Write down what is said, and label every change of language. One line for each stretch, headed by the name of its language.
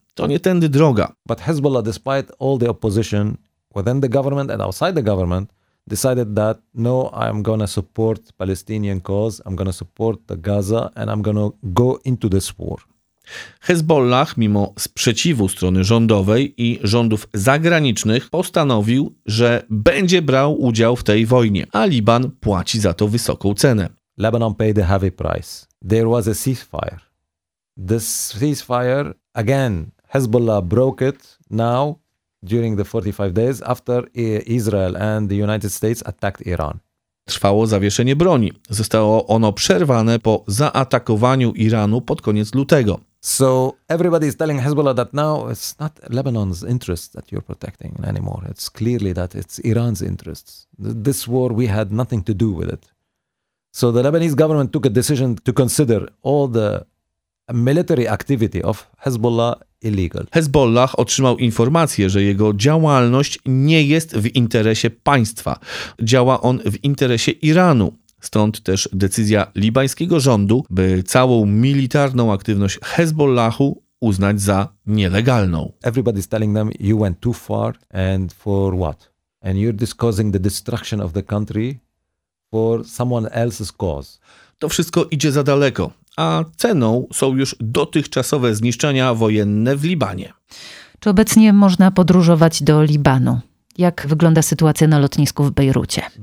Polish: To nie tędy droga.
English: But Hezbollah, despite all the opposition within the government and outside the government, decided that no, I'm gonna support Palestinian cause, I'm gonna support the Gaza and I'm gonna go into this war.
Polish: Hezbollah, mimo sprzeciwu strony rządowej i rządów zagranicznych, postanowił, że będzie brał udział w tej wojnie, a Liban płaci za to wysoką cenę.
English: Lebanon paid a heavy price. There was a ceasefire. This ceasefire, again, Hezbollah broke it now during the 45 days after Israel and the United States attacked Iran.
Polish: Trwało zawieszenie broni. Zostało ono przerwane po zaatakowaniu Iranu pod koniec lutego.
English: So everybody is telling Hezbollah that now it's not Lebanon's interests that you're protecting anymore. It's clearly that it's Iran's interests. This war, we had nothing to do with it. So the Lebanese government took a decision to consider all the military activity of Hezbollah illegal.
Polish: Hezbollah otrzymał informację, że jego działalność nie jest w interesie państwa. Działa on w interesie Iranu. Stąd też decyzja libańskiego rządu, by całą militarną aktywność Hezbollahu uznać za nielegalną.
English: Everybody's telling them you went too far and for what? And you're just causing the destruction of the country for someone else's cause.
Polish: To wszystko idzie za daleko, a ceną są już dotychczasowe zniszczenia wojenne w Libanie. Czy obecnie można podróżować do Libanu? Jak wygląda sytuacja na lotnisku w Bejrucie?